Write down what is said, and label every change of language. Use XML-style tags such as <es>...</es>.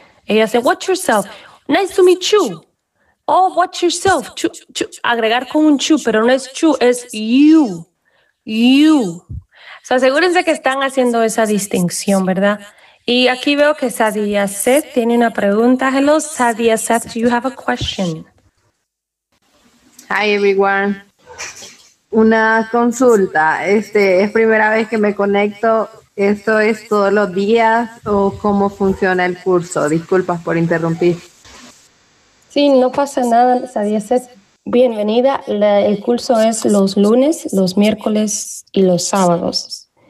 <es>Ellas dicen,</es> <en>what's yourself? Nice to meet you. Oh, what's yourself? Chu.</en> <es>Agregar con un chu, pero no es chu, es you. You. So asegúrense que están haciendo esa distinción, ¿verdad? Y aquí veo que Sadia Seth tiene una pregunta.</es> <en>Hello, Sadia Seth, do you have a question? Hi, everyone.</en> <es>Una consulta, es primera vez que me conecto, ¿esto es todos los días o cómo funciona el curso? Disculpas por interrumpir. Sí, no pasa nada, Sadia Seth. Bienvenida, el curso es los lunes, los miércoles y los sábados.</es>